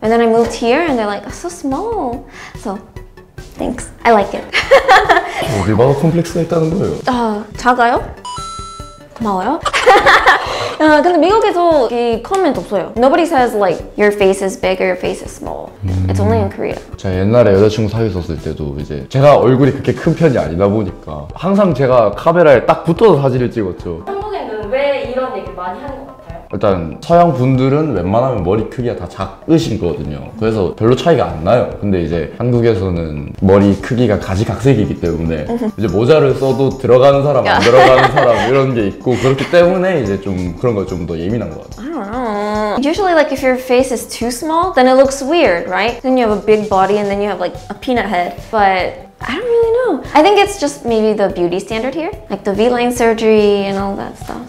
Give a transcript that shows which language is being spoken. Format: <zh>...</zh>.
<en>And then I moved here and they're like, so small. So, thanks. I like it.</en> <ko>얼마나 콤플렉스가 있다는 거예요? 작아요? 고마워요. 근데 미국에서 이 comment 없어요.</ko> <en>Nobody says like your face is big or your face is small. It's only in Korea.</en> <ko>제가 옛날에 여자친구 사귀었을 때도 이제 제가 얼굴이 그렇게 큰 편이 아니다 보니까 항상 제가 카메라에 딱 붙어서 사진을 찍었죠. 한국에는 왜 이런 얘기 많이 하는 것 같아요? 일단 서양 분들은 웬만하면 머리 크기가 다 작으신 거거든요. 그래서 별로 차이가 안 나요. 근데 이제 한국에서는 머리 크기가 가지각색이기 때문에 이제 모자를 써도 들어가는 사람 안 들어가는 사람 이런 게 있고 그렇기 때문에 이제 좀 그런 걸 좀 더 예민한 것 같아요.</ko> <en>Usually like if your face is too small then it looks weird, right? Then you have a big body and then you have like a peanut head. But I don't really know. I think it's just maybe the beauty standard here. Like the V-line surgery and all that stuff.</en>